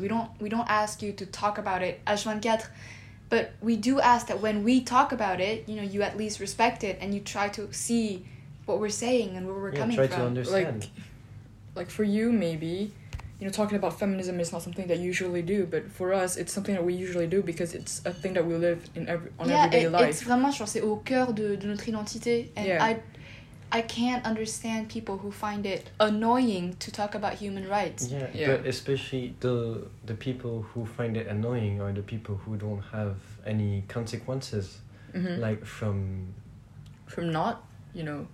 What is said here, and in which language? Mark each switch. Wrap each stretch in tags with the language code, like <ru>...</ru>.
<en>We don't ask you to talk about it H24, but we do ask that when we talk about it, you know, you at least respect it and you try to see what we're saying and where we're coming try from. Try to understand. Like, for you, maybe, you know, talking about feminism is not something that you usually do, but for us, it's something that we usually do because it's a thing that we live in everyday life. Yeah, it's</en> <fr>vraiment, je pense, c'est au cœur de notre identité.</fr> <en>I can't understand people who find it annoying to talk about human rights. Yeah. But especially the people who find it annoying are the people who don't have any consequences, mm-hmm. like from not, you know,</en>